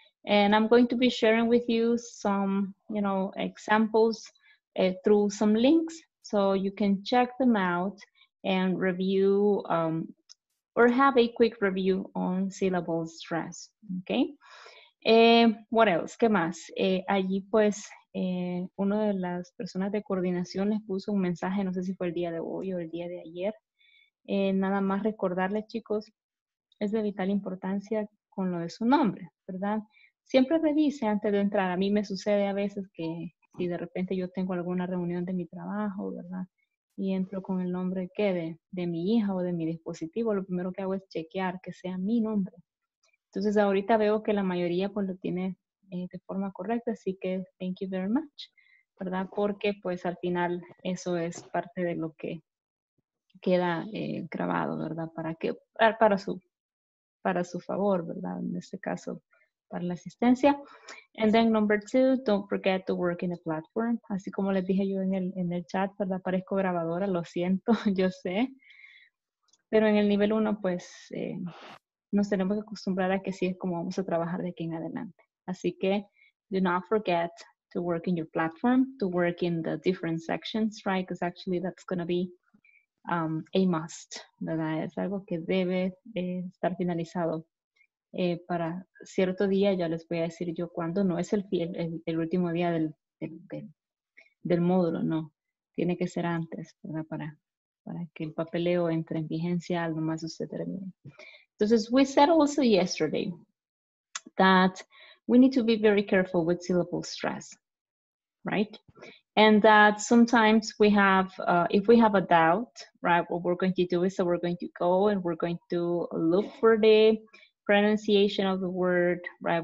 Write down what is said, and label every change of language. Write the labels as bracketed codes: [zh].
[en] And I'm going to be sharing with you some, you know, examples through some links, so you can check them out and review or have a quick review on syllable stress. Okay. What else? [es] ¿Qué más? Allí, pues, una de las personas de coordinación les puso un mensaje, no sé si fue el día de hoy o el día de ayer. Nada más recordarles, chicos, es de vital importancia con lo de su nombre, ¿verdad? Siempre revise antes de entrar. A mí me sucede a veces que si de repente yo tengo alguna reunión de mi trabajo, ¿verdad? Y entro con el nombre, ¿qué? De mi hija o de mi dispositivo. Lo primero que hago es chequear que sea mi nombre. Entonces, ahorita veo que la mayoría pues lo tiene de forma correcta, así que [en] thank you very much, [es] ¿verdad? Porque pues al final eso es parte de lo que queda grabado, ¿verdad? Para que, para su favor, ¿verdad? En este caso, para la asistencia. [en] And then number two, don't forget to work in the platform. [es] Así como les dije yo en el chat, ¿verdad? Parezco grabadora, lo siento, yo sé. Pero en el nivel uno, pues... nos tenemos que acostumbrar a que así es como vamos a trabajar de aquí en adelante. [en] Así que, do not forget to work in your platform, to work in the different sections, right? Because actually that's going to be a must, [es] ¿verdad? Es algo que debe estar finalizado para cierto día. Ya les voy a decir yo cuándo. No es el último día del módulo, no. Tiene que ser antes, ¿verdad? Para que el papeleo entre en vigencia, algo más usted termine. [en] Entonces, we said also yesterday that we need to be very careful with syllable stress, right? And that sometimes we have, if we have a doubt, right, what we're going to do is that we're going to go and we're going to look for the pronunciation of the word, right?